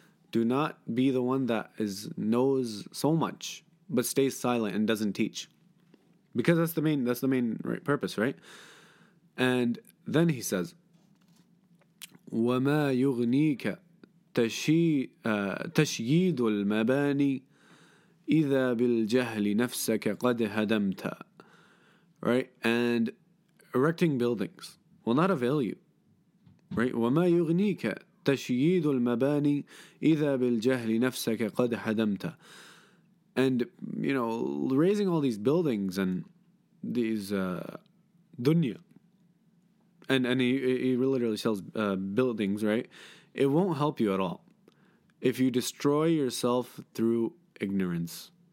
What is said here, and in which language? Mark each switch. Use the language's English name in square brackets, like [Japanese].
[English] Do not be the one that knows so much but stays silent and doesn't teach. Because that's the main right purpose, right? And then he says, [Arabic] وَمَا يُغْنِيكَ تشييد المباني إذا بالجهل نفسك قد هدمت. [English] Right? And erecting buildings will not avail you. Right? [Arabic] وما يغنيك تشييد المباني إذا بالجهل نفسك قد هدمت. [English] And, you know, raising all these buildings and these dunya. And he literally sells buildings, right? It won't help you at all if you destroy yourself through ignorance.